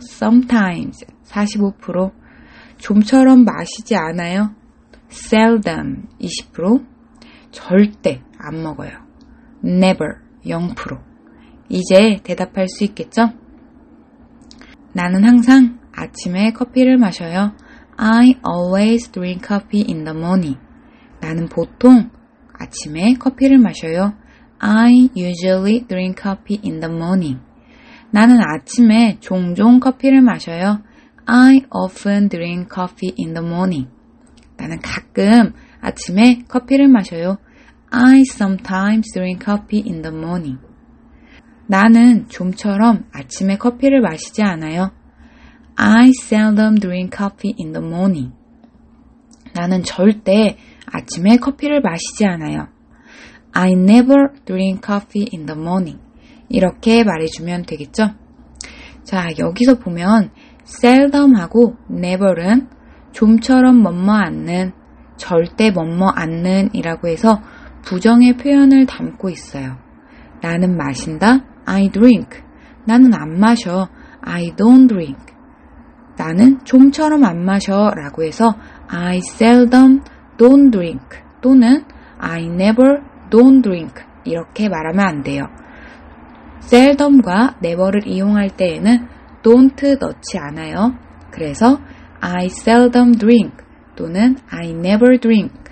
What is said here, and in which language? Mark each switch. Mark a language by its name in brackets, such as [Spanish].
[Korean] Sometimes. 45%. 좀처럼 마시지 않아요. Seldom. 20%. 절대 안 먹어요. Never. 0%. 이제 대답할 수 있겠죠? 나는 항상 아침에 커피를 마셔요. [English] I always drink coffee in the morning. [Korean] 나는 보통 아침에 커피를 마셔요. [English] I usually drink coffee in the morning. [Korean] 나는 아침에 종종 커피를 마셔요. [English] I often drink coffee in the morning. [Korean] 나는 가끔 아침에 커피를 마셔요. [English] I sometimes drink coffee in the morning. [Korean] 나는 좀처럼 아침에 커피를 마시지 않아요. [English] I seldom drink coffee in the morning. [Korean] 나는 절대 아침에 커피를 마시지 않아요. [English] I never drink coffee in the morning. [Korean] 이렇게 말해주면 되겠죠? 자, 여기서 보면 seldom하고 never은 좀처럼 뭐뭐 않는, 절대 뭐뭐 않는 이라고 해서 부정의 표현을 담고 있어요. 나는 마신다. [English] I drink. [Korean] 나는 안 마셔. [English] I don't drink. [Korean] 나는 좀처럼 안 마셔. 라고 해서 [English] I seldom don't drink. 또는 I never don't drink. [Korean] 이렇게 말하면 안 돼요. seldom과 never를 이용할 때에는 don't 넣지 않아요. [English] 그래서 I seldom drink. 또는 I never drink.